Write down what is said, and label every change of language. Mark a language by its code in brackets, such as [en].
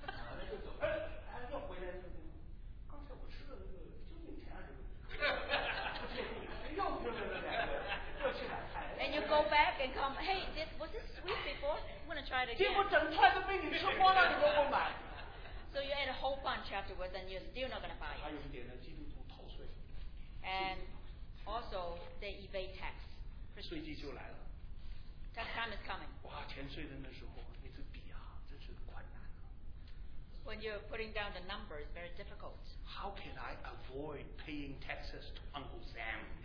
[en] And you go back and come, hey, was this sweet before? try it again. [zh] 结果整串都被你吃光了，你都不买。 [en] So you ate a whole bunch afterwards, and you're still not going to buy it. [zh] 还有一点呢，基督徒逃税。 [en] And also they evade tax. [zh] 税季就来了。 [en] Tax time is coming. [zh] 哇，钱税的那时候，那支笔啊，真是困难啊。 [en] When you're putting down the number, it's very difficult. How can I avoid paying taxes to Uncle Sam?